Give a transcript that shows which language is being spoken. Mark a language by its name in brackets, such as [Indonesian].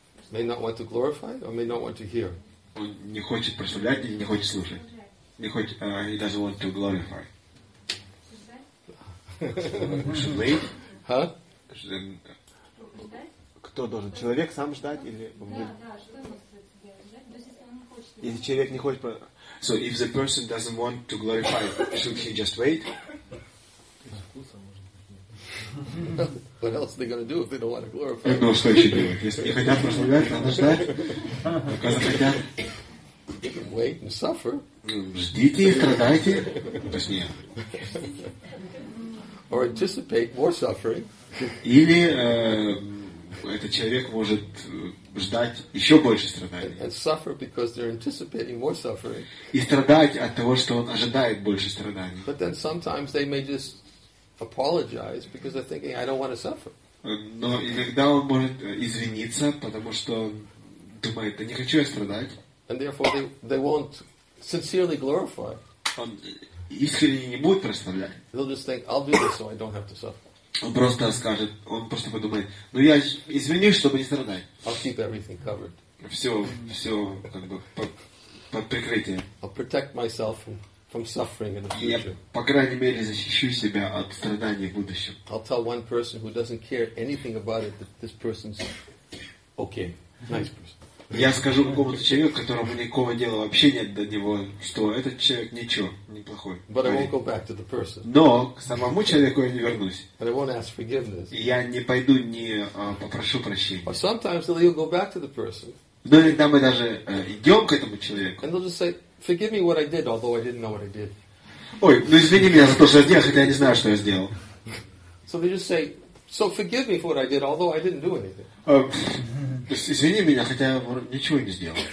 [English] May not want to glorify or may not want to hear. [Russian] Он не хочет прославлять или не хочет слушать. Не хочет, [English] he doesn't want to glorify. Should we? Huh? [Russian] Кто должен? Человек сам ждать или? Да, что ему ждать? Если человек не хочет. [English] So if the person doesn't want to glorify, should he just wait? What else are they gonna do if they don't want to glorify? [Russian] Ну что еще делать? Если не хотят прославлять, надо ждать. Пока захотят. [English] Wait and suffer. [Russian] Ждите и страдайте. Точнее. [English] Or anticipate more suffering. [Russian] Или этот человек может ждать еще больше страданий. [English] And suffer because they're anticipating more suffering. [Russian] И страдать от того, что он ожидает больше страданий. [English] But then sometimes they may just apologize because they're thinking, I don't want to suffer. [Russian] Но иногда он может извиниться, потому что он думает, да не хочу я страдать. [English] And therefore they won't sincerely glorify. [Russian] Он искренне не будет прославлять. [English] They'll just think, I'll do this so I don't have to suffer. [Russian] Он просто скажет, он просто подумает, ну я извинюсь, чтобы не страдать. [English] I'll keep everything covered. [Russian] Все как бы под прикрытием. [English] I'll protect myself from suffering in the future. [Russian] Я, по крайней мере, защищу себя от страданий в будущем. [English] I'll tell one person who doesn't care anything about it that this person's okay, nice person. [Russian] Я скажу какому-то человеку, которому никакого дела вообще нет до него, что этот человек ничего, неплохой. [English] But I won't go back to the person. [Russian] Но к самому человеку я не вернусь. [English] But I won't ask forgiveness. [Russian] И я не пойду, не попрошу прощения. [English] But sometimes they'll go back to the person. [Russian] Но иногда мы даже идем к этому человеку. [English] And they'll just say, forgive me what I did, although I didn't know what I did. [Russian] Ой, ну извини меня за то, что я сделал, хотя я не знаю, что я сделал. [English] So they just say, so forgive me for what I did, although I didn't do anything. [Russian] Извини меня, хотя я ничего не сделал.